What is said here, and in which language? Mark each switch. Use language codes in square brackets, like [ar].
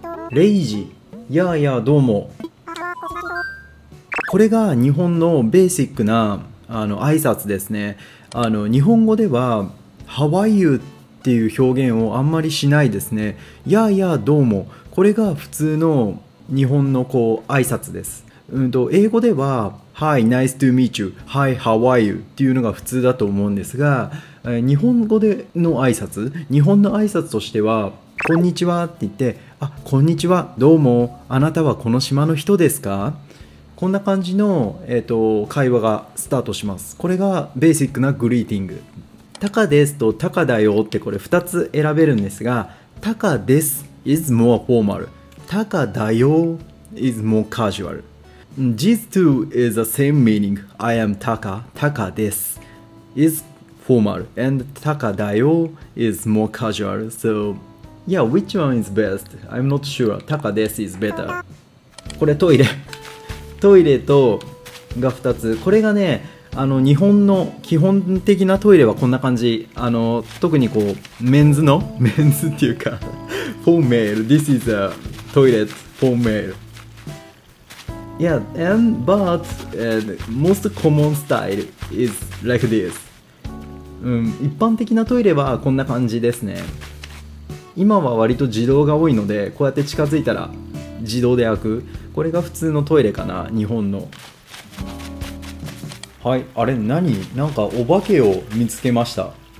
[ja] レイジ、やあやあ、どうも。これが日本のベーシックなあの挨拶ですね。あの日本語ではハワイユっていう表現をあんまりしないですね。やあやあどうも、これが普通の日本のこう挨拶です。英語では Hi, nice to meet you. Hi, how are you? っていうのが普通だと思うんですが、日本語での挨拶、日本の挨拶としてはこんにちはって言って、あ、こんにちは、どうも、あなたはこの島の人ですか、こんな感じの、会話がスタートします。これがベーシックなグリーティング。タカですとタカだよってこれ2つ選べるんですが、タカです [en] is more formal、 [ja] タカだよ [en] is more casual。 These two is the same meaning。 I am Taka、 [ja] タカです [en] is formal and [ja] タカだよ [en] is more casual。 So yeah, which one is best? I'm not sure。 [ja] タカです [en] is better。 [ja] これトイレトイレとが2つ。これがね、あの日本の基本的なトイレはこんな感じ。あの特にこうメンズのメンズっていうかフォーメール、 [en] This is a toilet for male。 Yeah, and but and most common style is like this。 [ja] 一般的なトイレはこんな感じですね。今は割と自動が多いので、こうやって近づいたら自動で開く、これが普通のトイレかな、日本の。はい、あれ何、なんかお化けを見つけました。